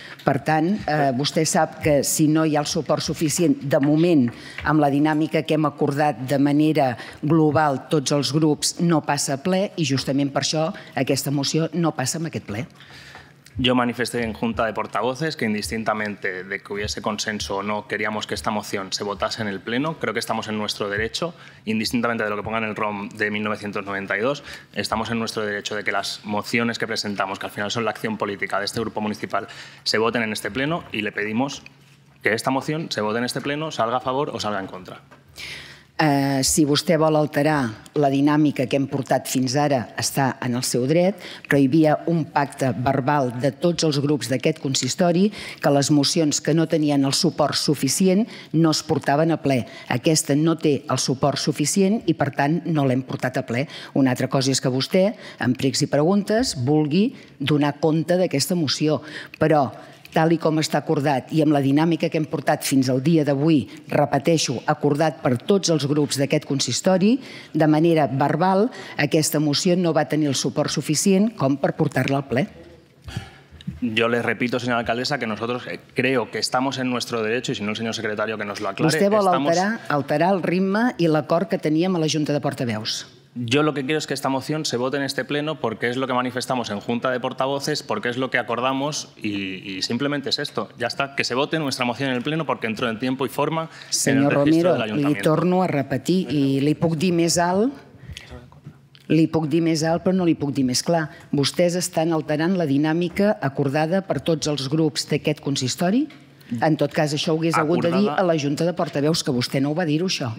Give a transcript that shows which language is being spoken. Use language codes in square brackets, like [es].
[ca] Per tant, vostè sap que si no hi ha el suport suficient, de moment, amb la dinàmica que hem acordat de manera global tots els grups, no passa a ple i justament per això aquesta moció no passa en aquest ple. [es] Yo manifesté en Junta de Portavoces que indistintamente de que hubiese consenso o no, queríamos que esta moción se votase en el Pleno. Creo que estamos en nuestro derecho, indistintamente de lo que ponga en el ROM de 1992, estamos en nuestro derecho de que las mociones que presentamos, que al final son la acción política de este grupo municipal, se voten en este Pleno y le pedimos que esta moción se vote en este Pleno, salga a favor o salga en contra. [ca] Si vostè vol alterar la dinàmica que hem portat fins ara, està en el seu dret, però hi havia un pacte verbal de tots els grups d'aquest consistori que les mocions que no tenien el suport suficient no es portaven a ple. Aquesta no té el suport suficient i, per tant, no l'hem portat a ple. Una altra cosa és que vostè, amb pregs i preguntes, vulgui donar compte d'aquesta moció, però tal com està acordat i amb la dinàmica que hem portat fins al dia d'avui, repeteixo, acordat per tots els grups d'aquest consistori, de manera verbal, aquesta moció no va tenir el suport suficient com per portar-la al ple. [es] Yo le repito, señora alcaldesa, que nosotros creo que estamos en nuestro derecho y si no el señor secretario que nos lo aclare... [ca] Vostè vol alterar el ritme i l'acord que teníem a la Junta de Portaveus. [es] Yo lo que quiero es que esta moción se vote en este pleno porque es lo que manifestamos en Junta de Portavoces, porque es lo que acordamos y simplemente es esto. Ya está, que se vote nuestra moción en el pleno porque entró en tiempo y forma en el registro de [ca] l'Ajuntament. Senyor Romero, li torno a repetir i li puc dir més alt, però no li puc dir més clar. Vostès estan alterant la dinàmica acordada per tots els grups d'aquest consistori? En tot cas, això ho hagués hagut de dir a la Junta de Portaveus, que vostè no ho va dir-ho, això.